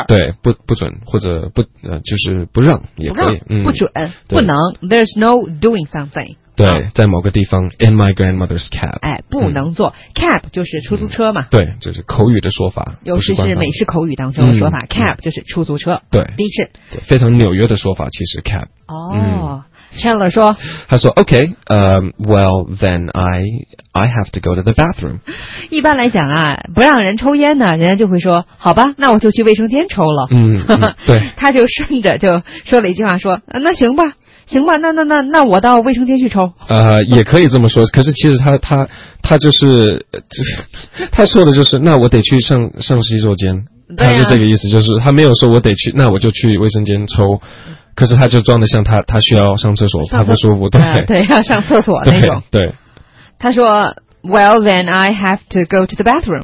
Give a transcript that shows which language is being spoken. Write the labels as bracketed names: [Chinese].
[Chinese] 对，不准或者不就是不让也可以，不准不能 [English] There's no doing something, [Chinese] 对，在某个地方 [English] In my grandmother's cab, [Chinese] 哎，不能做 cab 就是出租车嘛，对，就是口语的说法，尤其是美式口语当中的说法 cab 就是出租车，对，的确非常纽约的说法，其实 cab Chandler 说，他说 [English] OK, well then I have to go to the bathroom, [Chinese] 一般来讲啊，不让人抽烟呢，人家就会说好吧，那我就去卫生间抽了对，他就顺着就说了一句话说那行吧，行吧，那我到卫生间去抽。也可以这么说，可是其实他就是，他说的就是，那我得去上洗手间，他是这个意思，就是他没有说我得去，那我就去卫生间抽。可是他就装得像他需要上厕所，他不舒服，对，对，要上厕所那种，对。他说 [English] Well, then I have to go to the bathroom.